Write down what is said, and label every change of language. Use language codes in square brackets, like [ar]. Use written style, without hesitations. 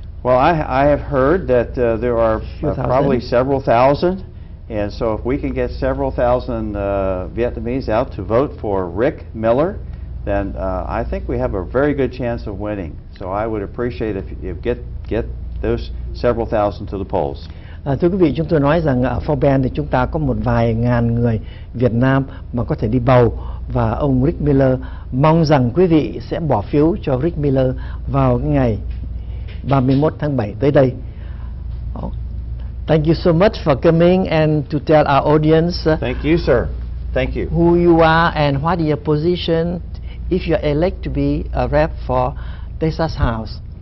[en] Well, I have heard that there are probably several thousand. And so if we can get several thousand Vietnamese out to vote for Rick Miller, then I think we have a very good chance of winning. So I would appreciate if you get those several thousand to the polls. [vi] Thưa quý vị, chúng tôi nói rằng ở Fort Bend thì chúng ta có một vài ngàn người Việt Nam mà có thể đi bầu, và ông Rick Miller mong rằng quý vị sẽ bỏ phiếu cho Rick Miller vào ngày 31 tháng 7 tới đây. [en] Thank you so much for coming and to tell our audience. Thank you, sir. Thank you. Who you are and what is your position if you are elected to be a rep for Texas House.